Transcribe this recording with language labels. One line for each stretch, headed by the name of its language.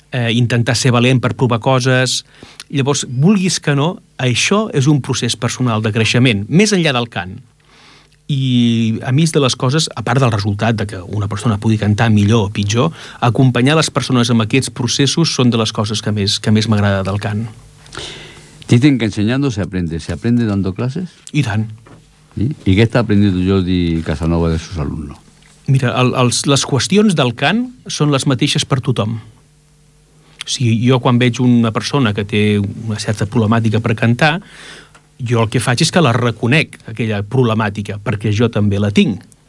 Catalan: intentar ser valent per provar coses. Llavors, vulguis que no, això és un procés personal de creixement, més enllà del cant. I a més de les coses, a part del resultat de que una persona pugui cantar millor o pitjor, acompanyar les persones en aquests processos són de les coses que més m'agrada del cant.
Spanish: Dicen que enseñando se aprende dando clases.
Catalan: I tant. I què està aprendint Jordi Casanova
Spanish: de sus alumnos?
Catalan: Mira, les qüestions del cant són les mateixes per tothom. Si jo quan veig una persona que té una certa problemàtica per cantar, jo el que faig és que la reconec, aquella problemàtica, perquè jo també la tinc.